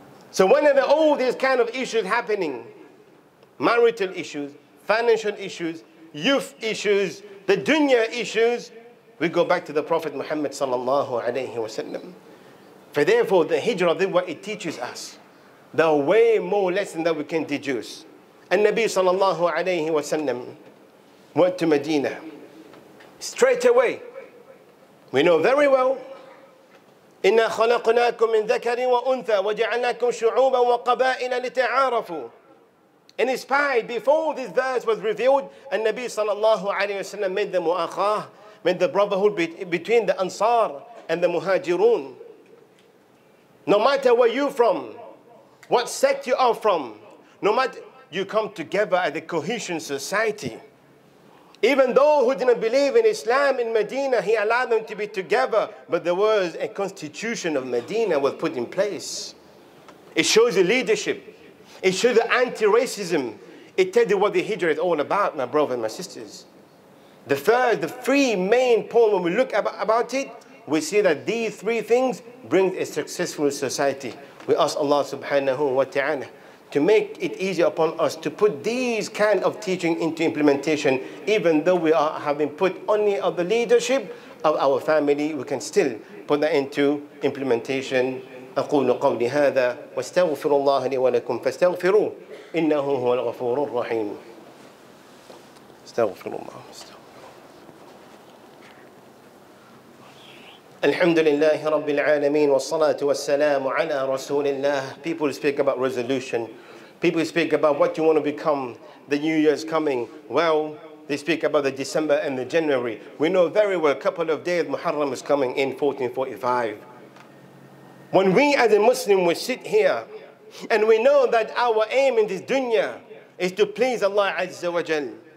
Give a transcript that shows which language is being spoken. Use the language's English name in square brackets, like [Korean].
[English] So whenever all these kind of issues happening, marital issues, financial issues, youth issues, the dunya issues, we go back to the Prophet Muhammad sallallahu alayhi wa sallam. For therefore the hijrah, what it teaches us, the way more lesson that we can deduce. And Nabi sallallahu alayhi wa sallam went to Medina straight away. We know very well, [Arabic] إِنَّا خَلَقْنَاكُمْ مِنْ ذَكَرٍ وَأُنْثَى وَجَعَلْنَاكُمْ شُعُوبًا وَقَبَائِلَ لِتَعَارَفُوا. [English] In his pride, before this verse was revealed, and Nabi sallallahu alayhi wa sallam made the mu'akhah, made the brotherhood between the Ansar and the Muhajirun. No matter where you're from, what sect you are from, no matter, you come together as a cohesion society. Even those who didn't believe in Islam in Medina, he allowed them to be together, but there was a constitution of Medina was put in place. It shows the leadership. It shows the anti-racism. It tells you what the hijrah is all about, my brothers and my sisters. The three main points, when we look about it, we see that these three things bring a successful society. We ask Allah subhanahu wa ta'ala to make it easier upon us to put these kind of teaching into implementation. Even though we are having put only of the leadership of our family, we can still put that into implementation. [Arabic] أقول قولي هذا واستغفر الله لي ولكم فاستغفروا إنه هو الغفور الرحيم. استغفر الله. الحمد لله رب العالمين والصلاة والسلام على رسول الله. [English] People speak about resolution. People speak about what you want to become. The New Year's coming. Well, they speak about the December and the January. We know very well, a couple of days, Muharram is coming in 1445. When we as a Muslim, we sit here and we know that our aim in this dunya is to please Allah Azza wa Jal.